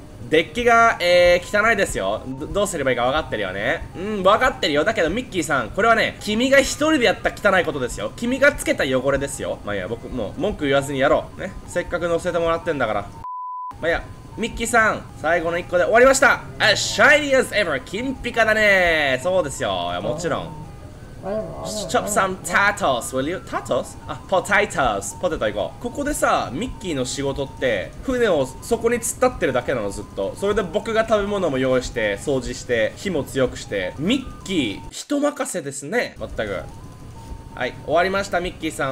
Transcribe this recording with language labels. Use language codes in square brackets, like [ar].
[ja] デッキが、汚いですよ。どうすればいいか分かってるよね。うん、分かってるよ。だけどミッキーさん、これはね、君が一人でやった汚いことですよ。君がつけた汚れですよ。まあいいや、僕もう文句言わずにやろうね。せっかく乗せてもらってんだから。まあいいや、ミッキーさん、最後の1個で終わりました。 [en] As shiny as ever、 [ja] 金ピカだね。そうですよ、もちろん。 [en] Chop some tatos, will you? Tatos? [ja] あ、potatoes、 ポテト行こう。ここでさ、ミッキーの仕事って船をそこに突っ立ってるだけなの、ずっと。それで僕が食べ物も用意して、掃除して、火も強くして。ミッキー人任せですね、まったく。はい、終わりました、ミッキーさん。